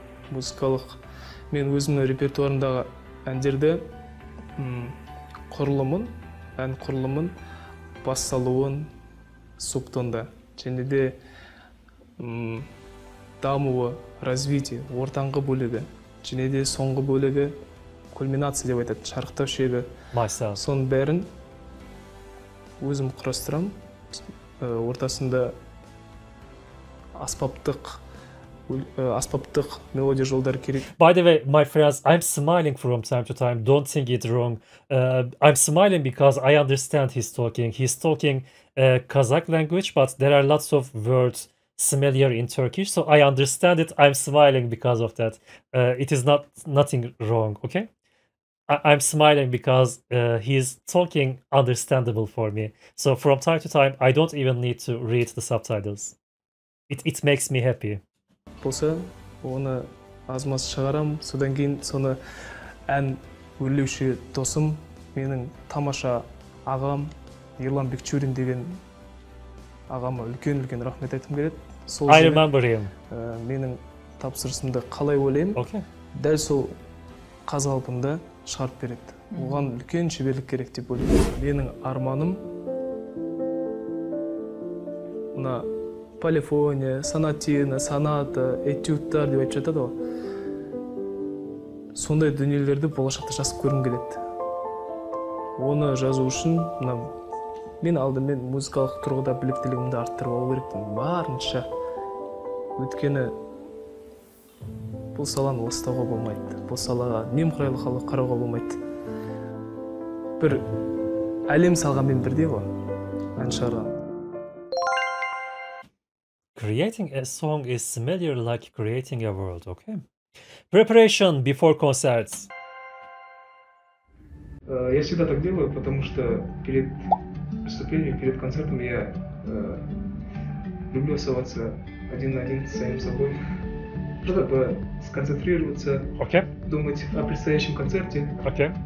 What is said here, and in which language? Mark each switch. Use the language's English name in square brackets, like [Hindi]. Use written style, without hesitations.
[Kazakh] Музыкалық, мен өзімнің репертуарымдағы әндерді құрылымын, ән құрылымын басталуын субтонда, және де дамуы, развитие, ортаңғы бөлігі, және де соңғы бөлігі, кульминация деп айтады, шарықтау шегі. Соның бәрін өзім құрастырам. Ортасында аспаптық мелодия жолдары керек. [English] By the way, my friends, I'm smiling from time to time. Don't think it wrong. I'm smiling because I understand he's talking. He's talking Kazakh language, but there are lots of words similar in Turkish, so I understand it. I'm smiling because of that. It is nothing wrong, okay? I'm smiling because he's talking understandable for me. So from time to time, I don't even need to read the subtitles. It makes me happy. [Kazakh] Болса, оны азмас шығарам, содан кейін соны ән өрлеуші досым, менің тамаша ағам, Ерлан Бекчурин деген ағама үлкен-үлкен рахмет айтым келеді. [English] Сол I remember him. [Kazakh] Менің тапсырысымды қалай өлем, [English] okay. [Kazakh] Дәл сол қазалпында шығарып береді. Оған үлкен шеберлік керек деп ойлаймын. Менің арманым мына полифония, сонатина, соната, этюдтар деп айтып жатады ғой. Сондай дүниелерді болашақта жазып көргім келеді. Оны жазу үшін мына мен алдымен музыкалық тұрғыда біліктілігімді арттырып алу керекпін барынша. Өйткені бұл саланы ластауға болмайды, бұл салаға немқұрайлы халық қарауға болмайды. Бір әлем салғанмен бірдей ғой ән шығарған. [English] Creating a song is similar like creating a world, okay? Preparation before concerts. [Russian] Я всегда так делаю, потому что перед выступлением, перед концертом я люблю оставаться один на один с самим собой. Чтобы сконцентрироваться, [English] okay. [Russian] Думать о предстоящем концерте, [English] okay.